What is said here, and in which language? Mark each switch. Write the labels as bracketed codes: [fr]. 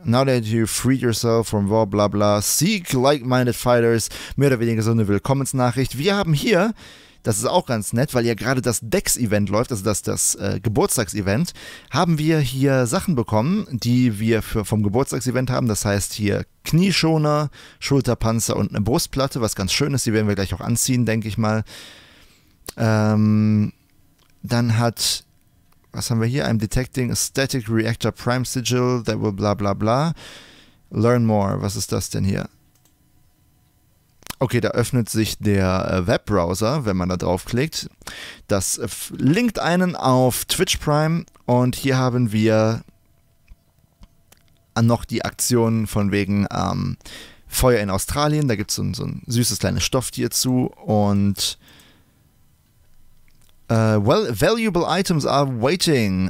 [en] Now that you freed yourself from war, bla bla, seek like-minded fighters. [de] Mehr oder weniger so eine Willkommensnachricht. Wir haben hier, das ist auch ganz nett, weil ja gerade das Dex-Event läuft, also das Geburtstagsevent, haben wir hier Sachen bekommen, die wir vom Geburtstagsevent haben. Das heißt hier Knieschoner, Schulterpanzer und eine Brustplatte, was ganz schön ist. Die werden wir gleich auch anziehen, denke ich mal. Dann hat, was haben wir hier? [en] I'm detecting a static reactor prime sigil that will bla bla bla. Learn more. [de] Was ist das denn hier? Okay, da öffnet sich der Webbrowser, wenn man da draufklickt. Das linkt einen auf Twitch Prime und hier haben wir noch die Aktion von wegen Feuer in Australien. Da gibt es so ein süßes kleines Stofftier zu und [en] well, valuable items are waiting.